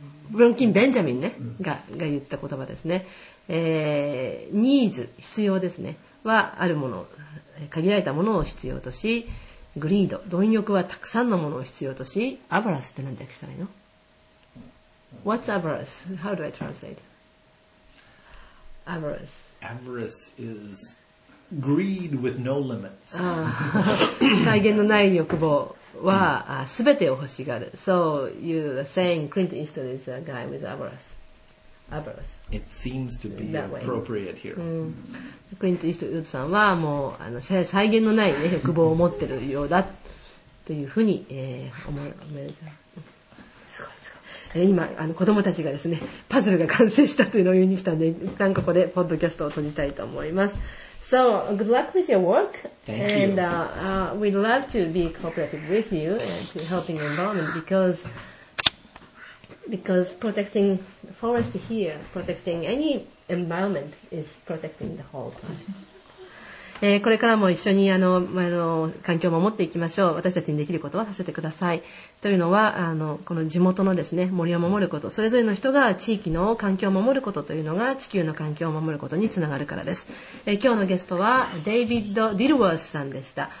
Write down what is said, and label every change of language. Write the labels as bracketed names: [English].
[Japanese] ブロンキン・ベンジャミン、ね、が言った言葉ですね、ニーズ、必要ですね、はあるもの、限られたものを必要とし、グリード、貪欲はたくさんのものを必要とし、アバラスって何で訳したらいいの？ [English] What's avarice? How do I translate? Avarice. Avarice is greed with no limits. [Japanese] 際限のない欲望は全てを欲しがる。 [English] So you are saying Clint Eastwood is a guy with avarice. It seems to be appropriate here. [Japanese] クリント・イーストウッドさんはもうあの際限のない、ね、欲望を持ってるようだというふうに、思いました。すごいすごい。今あの子供たちがですねパズルが完成したというのを言いに来たんで一旦ここでポッドキャストを閉じたいと思います。 [English] So good luck with your work. Thank you. And we'd love to be cooperative with you and to helping the environment because. Because protecting the forest here, protecting any environment is protecting the whole planet. [Japanese] これからも一緒にあの、まあ、環境を守っていきましょう。私たちにできることはさせてください。というのは、あの、この地元のですね、森を守ること、それぞれの人が地域の環境を守ることというのが地球の環境を守ることにつながるからです。今日のゲストはデイビッド・ディルワースさんでした。